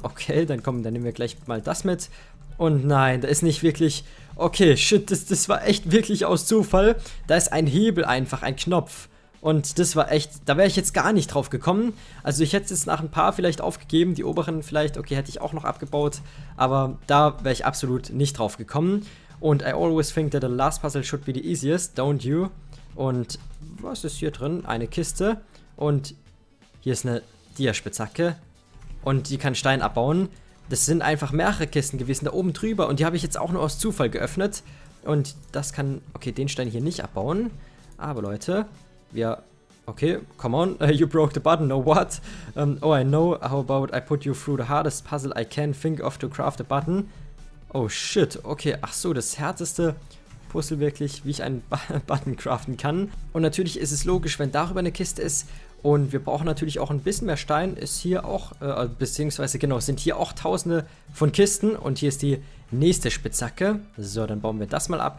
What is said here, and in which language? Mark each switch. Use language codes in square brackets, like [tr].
[de] Okay, dann kommen, dann nehmen wir gleich mal das mit. Und nein, da ist nicht wirklich, okay, shit, das war echt wirklich aus Zufall. Da ist ein Hebel einfach, ein Knopf. Und das war echt, da wäre ich jetzt gar nicht drauf gekommen. Also ich hätte es jetzt nach ein paar vielleicht aufgegeben, die oberen vielleicht, okay, hätte ich auch noch abgebaut. Aber da wäre ich absolut nicht drauf gekommen. [en] Und I always think that the last puzzle should be the easiest, don't you? [de] Und was ist hier drin? Eine Kiste. Und hier ist eine Diaspitzhacke. Und die kann Stein abbauen. Das sind einfach mehrere Kisten gewesen, da oben drüber. Und die habe ich jetzt auch nur aus Zufall geöffnet. Und das kann, okay, den Stein hier nicht abbauen. Aber Leute, wir, [en] okay, come on, you broke the button, no what? Oh, I know, how about I put you through the hardest puzzle I can think of to craft a button? [de] Oh, shit, okay, ach so, das härteste Puzzle wirklich, wie ich einen Button craften kann. Und natürlich ist es logisch, wenn darüber eine Kiste ist. Und wir brauchen natürlich auch ein bisschen mehr Stein, ist hier auch, beziehungsweise genau, sind hier auch tausende von Kisten. Und hier ist die nächste Spitzhacke. So, dann bauen wir das mal ab.